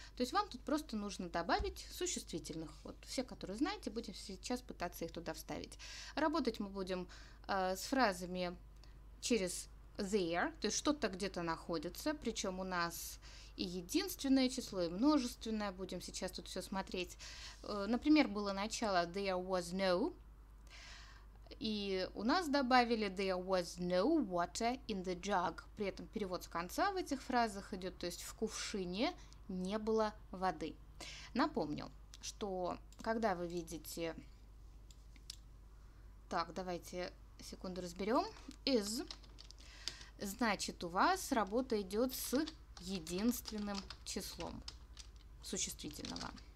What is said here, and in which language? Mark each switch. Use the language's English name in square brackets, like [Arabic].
[Russian] То есть вам тут просто нужно добавить существительных. Вот все, которые знаете, будем сейчас пытаться их туда вставить. Работать мы будем с фразами через there, то есть что-то где-то находится, причем у нас и единственное число, и множественное. Будем сейчас тут все смотреть. Например, было начало [English] there was no. [Russian] И у нас добавили [English] there was no water in the jug. [Russian] При этом перевод с конца в этих фразах идет, то есть в кувшине не было воды. Напомню, что когда вы видите... Так, давайте секунду разберем. Is, значит, у вас работа идет с единственным числом существительного.